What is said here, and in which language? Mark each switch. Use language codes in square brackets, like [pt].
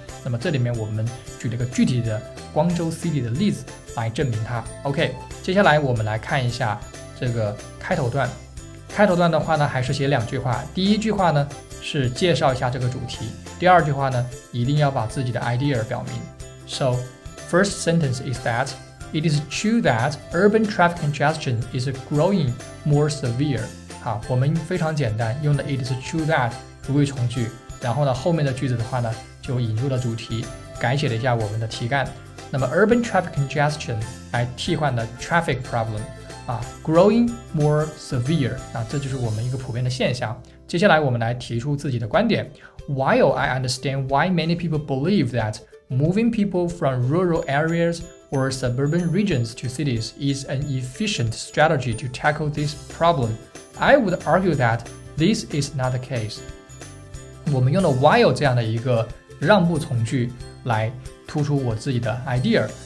[zh] 那么这里面我们举了个具体的光州 City 的例子来证明它。 OK, 接下来我们来看一下这个开头段。开头段的话呢还是写两句话，第一句话呢是介绍一下这个主题，第二句话呢一定要把自己的 idea 表明。 [en] SoFirst sentence is that it is true that urban traffic congestion is growing more severe. [zh] 好，我们非常简单，用的 [en] it is true that [zh] 不会从句，然后呢，后面的句子的话呢，就引入了主题，改写了一下我们的题干。那么 [en] urban traffic congestion [zh] 来替换的 [en] traffic problem, growing more severe, [zh] 这就是我们一个普遍的现象。接下来我们来提出自己的观点。 [en] While I understand why many people believe thatMoving people from rural areas or suburban regions to cities is an efficient strategy to tackle this problem. I would argue that this is not the case. [zh] 我们用了 while 这样的一个让步从句来突出我自己的 idea。